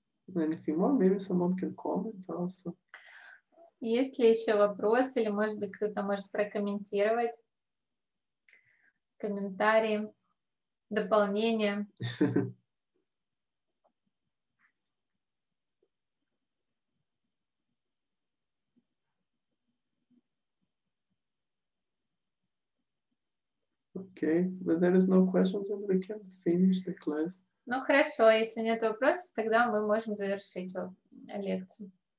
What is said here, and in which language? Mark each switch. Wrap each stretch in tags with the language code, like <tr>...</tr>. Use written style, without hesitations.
<en>Okay. Anything more? Maybe someone can comment also.</en> <ru>Есть ли еще вопрос, или, может быть, кто-то может прокомментировать? Комментарии, дополнения.</ru> <en>Okay, but there is no questions and we can finish the class.</en> <ru>Ну хорошо, если нет вопросов, тогда мы можем завершить лекцию.</ru>